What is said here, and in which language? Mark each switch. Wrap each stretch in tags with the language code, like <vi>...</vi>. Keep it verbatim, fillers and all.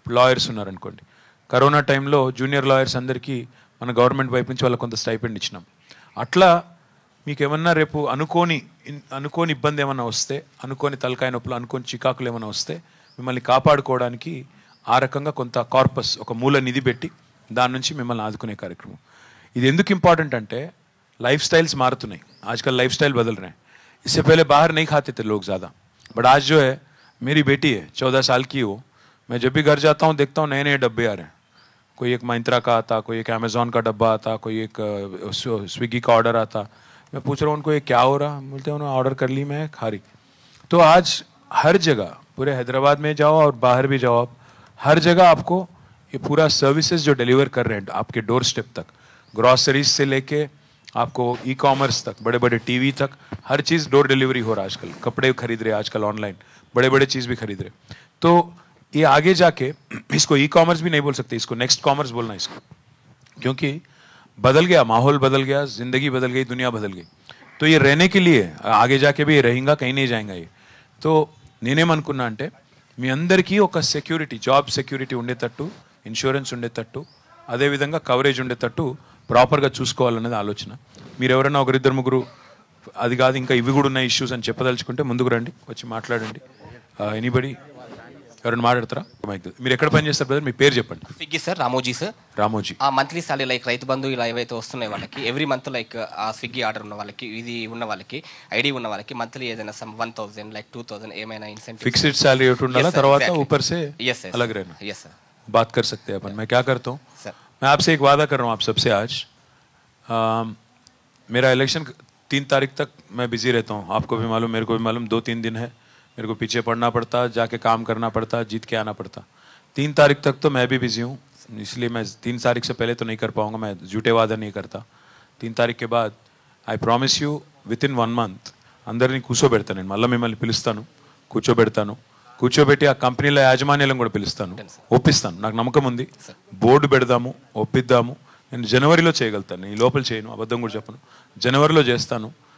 <te>Lawyers ఉన్నారనుకోండి, corona టైంలో junior lawyers అందరికీ మన గవర్నమెంట్ వైపు నుంచి వాళ్ళకి కొంత స్టైపెండ్ ఇచ్చినాం. అట్లా మీకేమన్నా రేపు అనుకోని అనుకోని ఇబ్బంది ఏమైనా వస్తే, అనుకోని తలకాయ నొప్పులు, అనుకోని చికాకులు ఏమైనా వస్తే మిమ్మల్ని కాపాడుకోవడానికి ఆ రకంగా కొంత కార్పస్, ఒక మూల నిధి పెట్టి దాని నుంచి మిమ్మల్ని ఆదుకునే కార్యక్రమం. ఇది ఎందుకు ఇంపార్టెంట్ అంటే లైఫ్</te> <hi>स्टाइल्स मारతున్నాయి, आजकल लाइफ स्टाइल बदल रहे हैं. इससे पहले बाहर नहीं खाते थे लोग ज़्यादा, बट आज जो है मेरी बेटी है चौदह साल की हो, मैं जब भी घर जाता हूँ देखता हूँ नए नए डब्बे आ रहे हैं. कोई एक महिंद्रा का आता, कोई एक अमेज़ॉन का डब्बा आता, कोई एक स्विगी का ऑर्डर आता. मैं पूछ रहा हूँ उनको ये क्या हो रहा, बोलते उन्होंने ऑर्डर कर ली मैं खा रही. तो आज हर जगह, पूरे हैदराबाद में जाओ और बाहर भी जाओ आप, हर जगह आपको ये पूरा सर्विसेज जो डिलीवर कर रहे हैं आपके डोर स्टेप तक, ग्रॉसरीज से लेके आपको ई कॉमर्स तक, बड़े बड़े टीवी तक, हर चीज़ डोर डिलीवरी हो रहा है आजकल. कपड़े खरीद रहे आजकल ऑनलाइन, बड़े बड़े चीज़ भी खरीद रहे. तो ये आगे जाके इसको ई कॉमर्स भी नहीं बोल सकते, इसको नेक्स्ट कॉमर्स बोलना है इसको, क्योंकि बदल गया माहौल, बदल गया जिंदगी, बदल गई दुनिया, बदल गई. तो ये रहने के लिए आगे जाके भी रहेगा, कहीं नहीं जाएगा ये.</hi> <te>సో నేనేమనుకున్నా అంటే మీ అందరికీ ఒక సెక్యూరిటీ, జాబ్ సెక్యూరిటీ ఉండేటట్టు, ఇన్సూరెన్స్ ఉండేటట్టు, అదేవిధంగా కవరేజ్ ఉండేటట్టు ప్రాపర్గా చూసుకోవాలనేది ఆలోచన. మీరు ఎవరైనా ఒకరిద్దరు ముగ్గురు అది కాదు ఇంకా ఇవి కూడా ఉన్న ఇష్యూస్ అని చెప్పదలుచుకుంటే ముందుకు రండి, వచ్చి మాట్లాడండి. ఎనీబడి ఎవరైనా మాట్లాడతారా? మీరు ఎక్కడ పని చేస్తారు బ్రదర్, మీ పేరు చెప్పండి. Swiggy sir, Ramoji sir. Ramoji ఆ monthly salary like Rythu Bandhu ఇలా ఏవైతే వస్తున్నాయి వాళ్ళకి ఎవ్రీ మంత్ లైక్ ఆ స్విగ్గీ ఆర్డర్ ఉన్న వాళ్ళకి, ఇది ఉన్న వాళ్ళకి, ఐడి ఉన్న వాళ్ళకి మంత్లీ ఏదైనా some one thousand like two thousand ఏమైనా ఇన్సెంటివ్ ఫిక్స్డ్ సాలరీ ఒకటి ఉండాలా, తర్వాత</te> <hi>ऊपर से अलग रहना.</hi> <en>Yes sir.</en> <hi>बात कर सकते हैं अपन. मैं क्या करता हूँ</hi> <en>sir,</en> <hi>मैं आपसे एक वादा कर रहा हूँ आप सबसे आज. आ, मेरा इलेक्शन तीन तारीख तक मैं बिजी रहता हूँ, आपको भी मालूम, मेरे को भी मालूम. दो तीन दिन है, मेरे को पीछे पड़ना पड़ता, जाके काम करना पड़ता, जीत के आना पड़ता. तीन तारीख तक तो मैं भी बिजी हूँ, इसलिए मैं तीन तारीख से पहले तो नहीं कर पाऊँगा. मैं झूठे वादा नहीं करता. तीन तारीख के बाद</hi> <en>I promise you within one month</en> <te>అందరినీ కూర్చోబెడతాను నేను, మళ్ళీ మిమ్మల్ని పిలుస్తాను, కూర్చోబెడతాను, కూర్చోబెట్టి ఆ కంపెనీల యాజమాన్యాలను కూడా పిలుస్తాను, ఒప్పిస్తాను. నాకు నమ్మకం ఉంది, బోర్డు పెడదాము, ఒప్పిద్దాము. నేను జనవరిలో చేయగలుగుతాను, నేను లోపల చేయను, అబద్ధం కూడా చెప్పను. జనవరిలో చేస్తాను.</te>